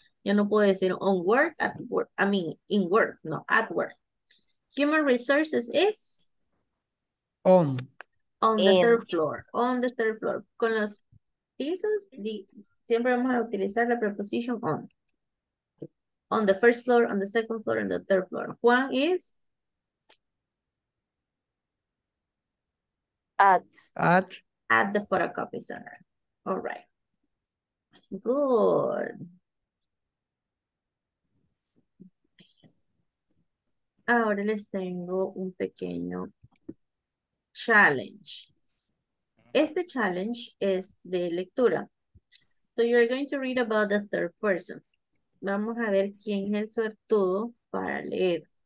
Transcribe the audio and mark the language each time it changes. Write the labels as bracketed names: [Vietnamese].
[Spanish] Yo no puedo decir [English] on work, at work. I mean in work, no, at work. Human resources is on the third floor. On the third floor. [Spanish] Con los pisos, siempre vamos a utilizar la preposición on. [English] On the first floor, on the second floor, and the third floor. Juan is at the photocopy center. All right. Good. [Spanish] Ahora les tengo un pequeño challenge. Este challenge es de lectura. [English] So you're going to read about the third person. [Spanish] Vamos a ver quién es el suertudo para leer.